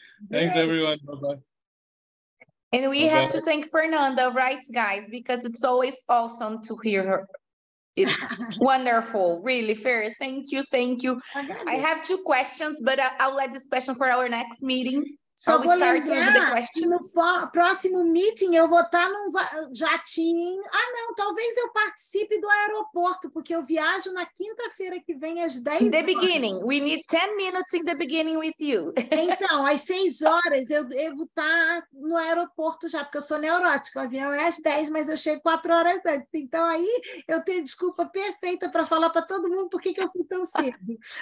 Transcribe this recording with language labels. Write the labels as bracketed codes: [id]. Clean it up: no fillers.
[en] Thanks, everyone. Bye-bye. And we have to thank Fernanda, right, guys? Because it's always awesome to hear her. It's wonderful, really, fair. Thank you, thank you. I have two questions, but I'll let this question for our next meeting. [pt] Só vou lembrar que no próximo meeting eu vou estar num jatinho. Ah, não, talvez eu participe do aeroporto, porque eu viajo na quinta-feira que vem às 10 horas. [en] In the beginning, we need 10 minutes in the beginning with you. [pt] Então, às 6 horas eu devo estar no aeroporto já, porque eu sou neurótica. O avião é às 10, mas eu chego 4 horas antes. Então, aí eu tenho desculpa perfeita para falar para todo mundo por que eu fui tão cedo.